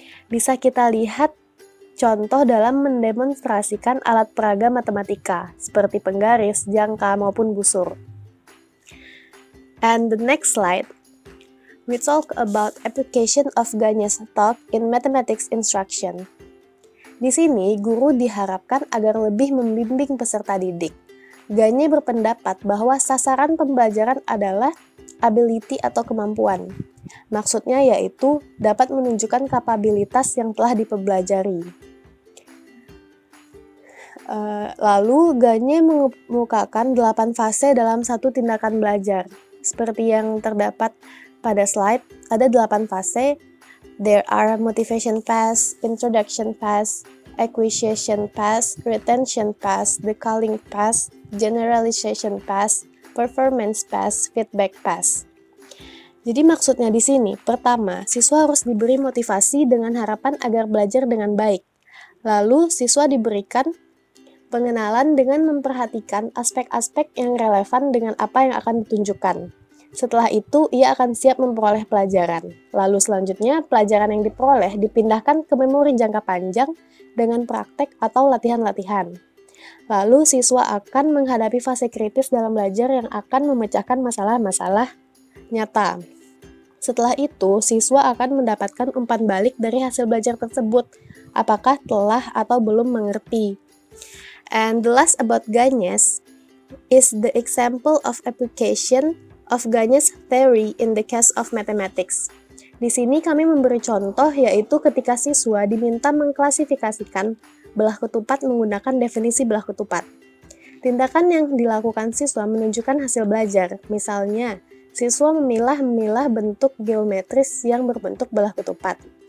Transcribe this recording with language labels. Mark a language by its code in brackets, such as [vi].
[id] Bisa kita lihat contoh dalam mendemonstrasikan alat peraga matematika, seperti penggaris, jangka, maupun busur. [en] And the next slide, we talk about application of Gagne's talk in mathematics instruction. [id] Di sini, guru diharapkan agar lebih membimbing peserta didik. Gagne berpendapat bahwa sasaran pembelajaran adalah ability atau kemampuan. Maksudnya yaitu dapat menunjukkan kapabilitas yang telah dipelajari. Lalu Ganye mengemukakan 8 fase dalam satu tindakan belajar. Seperti yang terdapat pada slide, ada 8 fase. [en] There are motivation phase, introduction phase, acquisition phase, retention phase, the calling phase, generalization phase, performance phase, feedback phase. [id] Jadi maksudnya di sini, pertama, siswa harus diberi motivasi dengan harapan agar belajar dengan baik. Lalu, siswa diberikan pengenalan dengan memperhatikan aspek-aspek yang relevan dengan apa yang akan ditunjukkan. Setelah itu, ia akan siap memperoleh pelajaran. Lalu selanjutnya, pelajaran yang diperoleh dipindahkan ke memori jangka panjang dengan praktek atau latihan-latihan. Lalu, siswa akan menghadapi fase kritis dalam belajar yang akan memecahkan masalah-masalah nyata. Setelah itu, siswa akan mendapatkan umpan balik dari hasil belajar tersebut, apakah telah atau belum mengerti. [en] And the last about Ganyes is the example of application of Ganyes theory in the case of mathematics. [id] Di sini kami memberi contoh yaitu ketika siswa diminta mengklasifikasikan belah ketupat menggunakan definisi belah ketupat. Tindakan yang dilakukan siswa menunjukkan hasil belajar, misalnya siswa memilah-milah bentuk geometris yang berbentuk belah ketupat.